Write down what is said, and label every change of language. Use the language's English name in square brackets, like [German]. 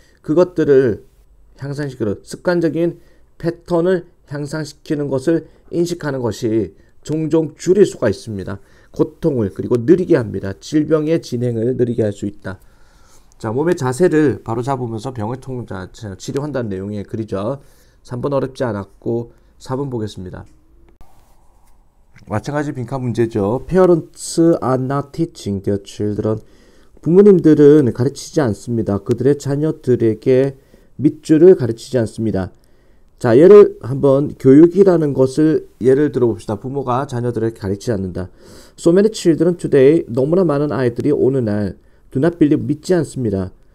[Korean] 그것들을 향상시키는, 습관적인 패턴을 향상시키는 것을 인식하는 것이 종종 줄일 수가 있습니다. 고통을, 그리고 느리게 합니다. 질병의 진행을 느리게 할수 있다. 자, 몸의 자세를 바로 잡으면서 병을 치료한다는 내용의 글이죠. 3번 어렵지 않았고, 4번 보겠습니다. 마찬가지 빈칸 문제죠. [English] Parents are not teaching their children. [Korean] 부모님들은 가르치지 않습니다. 그들의 자녀들에게 밑줄을 가르치지 않습니다. 자, 예를 한번 교육이라는 것을 예를 들어 봅시다. 부모가 자녀들을 가르치지 않는다. [English] So many children today, [Korean] 너무나 많은 아이들이 오는 날, [English] do not believe, [Korean] 믿지 않습니다.